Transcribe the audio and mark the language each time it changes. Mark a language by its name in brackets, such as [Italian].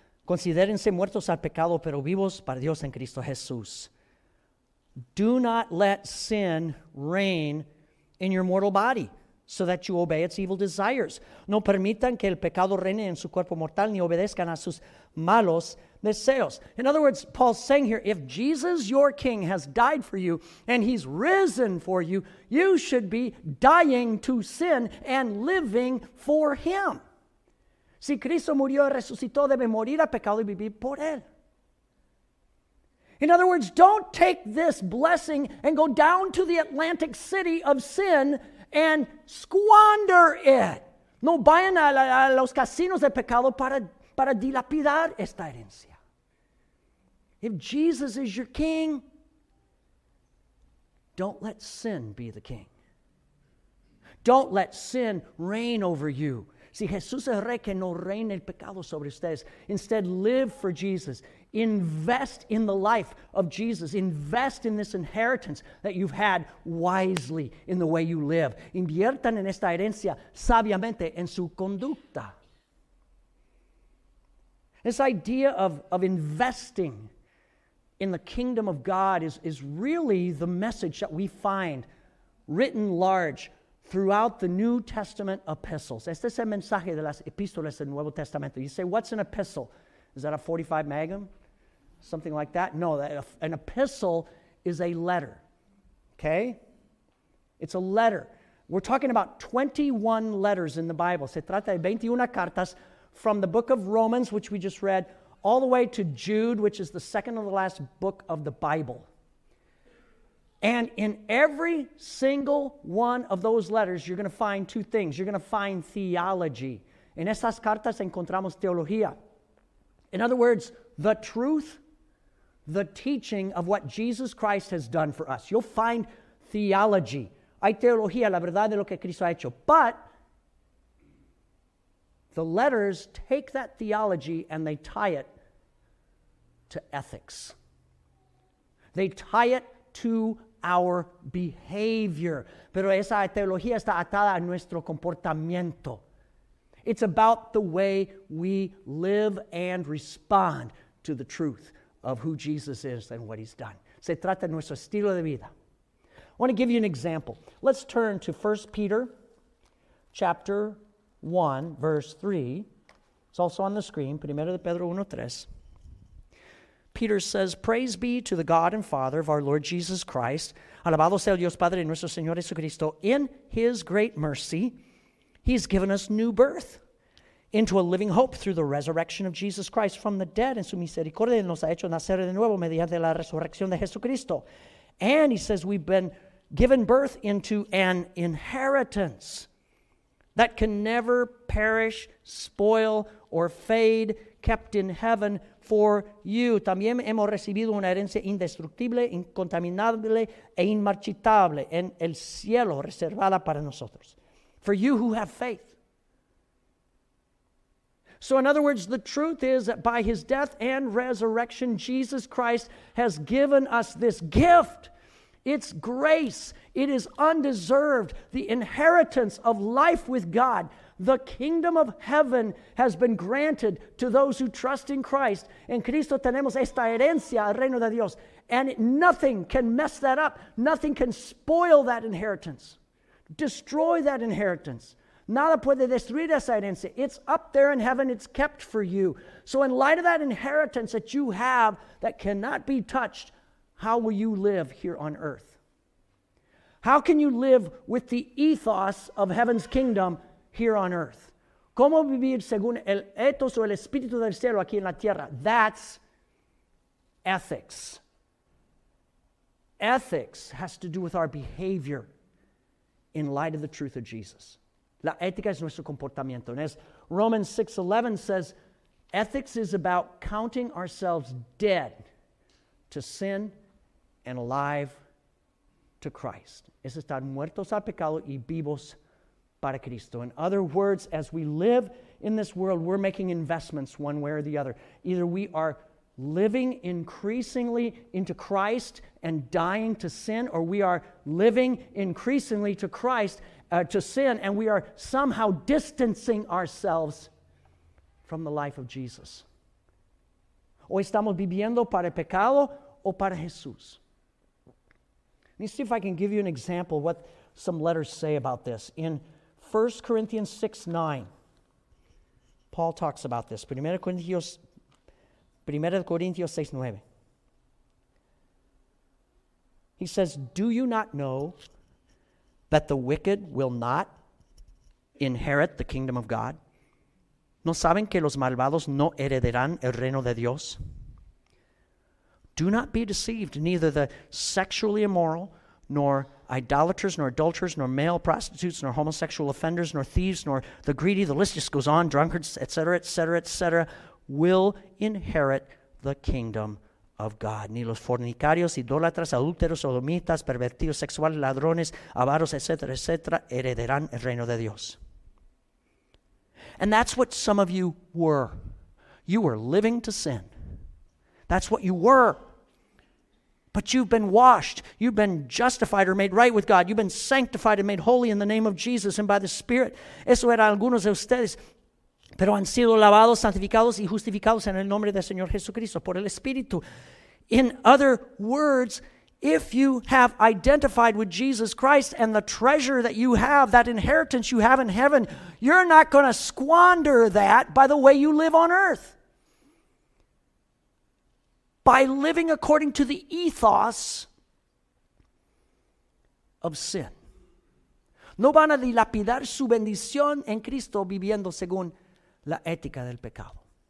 [Spanish] Considérense muertos al pecado, pero vivos para Dios en Cristo Jesús. [English] Do not let sin reign in your mortal body so that you obey its evil desires. [Spanish] No permitan que el pecado reine en su cuerpo mortal ni obedezcan a sus malos deseos. [English] In other words, Paul's saying here, if Jesus, your king, has died for you and he's risen for you, you should be dying to sin and living for him. [Spanish] Si Cristo murió y resucitó, debe morir a pecado y vivir por él. [English] In other words, don't take this blessing and go down to the Atlantic City of sin and squander it. [Spanish] No vayan a los casinos de pecado para dilapidar esta herencia. [English] If Jesus is your king, don't let sin be the king. Don't let sin reign over you. [Spanish] Si Jesús es rey, que no reine el pecado sobre ustedes. [English] Instead, live for Jesus. Invest in the life of Jesus. Invest in this inheritance that you've had wisely in the way you live. [Spanish] Inviertan en esta herencia sabiamente en su conducta. [English] This idea of investing in the kingdom of God is really the message that we find written large throughout the New Testament epistles. [Spanish] Este es el mensaje de las epístolas del Nuevo Testamento. [English] You say, what's an epistle? Is that a 45 magnum? Something like that? No, an epistle is a letter. Okay? It's a letter. We're talking about 21 letters in the Bible. [Spanish] Se trata de 21 cartas [English] from the book of Romans, which we just read, all the way to Jude, which is the second to the last book of the Bible. And in every single one of those letters, you're going to find two things. You're going to find theology. [Spanish] En esas cartas encontramos teología. [English] In other words, the truth, the teaching of what Jesus Christ has done for us. You'll find theology. [Spanish] Hay teología, la verdad de lo que Cristo ha hecho. [English] But the letters take that theology and they tie it to ethics. They tie it to our behavior. [Spanish] Pero esa teología está atada a nuestro comportamiento. [English] It's about the way we live and respond to the truth of who Jesus is and what he's done. [Spanish] Se trata de nuestro estilo de vida. [English] I want to give you an example. Let's turn to 1 Peter chapter 1, verse 3. It's also on the screen, [Spanish] Primero de Pedro [English] 1, 3. Peter says, praise be to the God and Father of our Lord Jesus Christ. [Spanish] Alabado sea Dios Padre nuestro Señor Jesucristo. [English] In his great mercy, he's given us new birth into a living hope through the resurrection of Jesus Christ from the dead. [Spanish] En su misericordia nos ha hecho nacer de nuevo mediante la resurrección de Jesucristo. [English] And he says we've been given birth into an inheritance that can never perish, spoil, or fade, kept in heaven for you. [Spanish] También hemos recibido una herencia indestructible, incontaminable, e inmarchitable en el cielo reservada para nosotros. [English] For you who have faith. So in other words, the truth is that by his death and resurrection, Jesus Christ has given us this gift. It's grace. It is undeserved. The inheritance of life with God. The kingdom of heaven has been granted to those who trust in Christ. [Spanish] En Cristo tenemos esta herencia, el reino de Dios. [English] And nothing can mess that up. Nothing can spoil that inheritance. Destroy that inheritance. [Spanish] Nada puede destruir esa herencia. [English] It's up there in heaven. It's kept for you. So in light of that inheritance that you have that cannot be touched, how will you live here on earth? How can you live with the ethos of heaven's kingdom here on earth? [Spanish] ¿Cómo vivir según el ethos o el espíritu del cielo aquí en la tierra? [English] That's ethics. Ethics has to do with our behavior in light of the truth of Jesus. [Spanish] La ética es nuestro comportamiento. [English] And as Romans 6:11 says, ethics is about counting ourselves dead to sin and alive to Christ. [Spanish] Es estar muertos al pecado y vivos para Cristo. [English] In other words, as we live in this world, we're making investments one way or the other. Either we are living increasingly into Christ and dying to sin, or we are living increasingly to Christ to sin, and we are somehow distancing ourselves from the life of Jesus. [Spanish] O estamos viviendo para el pecado o para Jesús. [English] Let me see if I can give you an example of what some letters say about this. In 1 Corinthians 6, 9. Paul talks about this. 1 Corinthians 6, 9. He says, do you not know that the wicked will not inherit the kingdom of God? [Spanish] ¿No saben que los malvados no heredarán el reino de Dios? [English] Do not be deceived. Neither the sexually immoral, nor idolaters, nor adulterers, nor male prostitutes, nor homosexual offenders, nor thieves, nor the greedy, the list just goes on, drunkards, etc., etc., etc., will inherit the kingdom of God. [Spanish] Ni los fornicarios, idólatras, adúlteros, sodomitas, pervertidos, sexuales, ladrones, avaros, etc., etc., heredarán el reino de Dios. [English] And that's what some of you were. You were living to sin. That's what you were. But you've been washed. You've been justified or made right with God. You've been sanctified and made holy in the name of Jesus and by the Spirit. [Spanish] Eso era algunos de ustedes. Pero han sido lavados, santificados y justificados en el nombre del Señor Jesucristo por el Espíritu. [English] In other words, if you have identified with Jesus Christ and the treasure that you have, that inheritance you have in heaven, you're not going to squander that by the way you live on earth. By living according to the ethos of sin. [Spanish] No van a dilapidar su bendición en Cristo viviendo según la ética del pecado.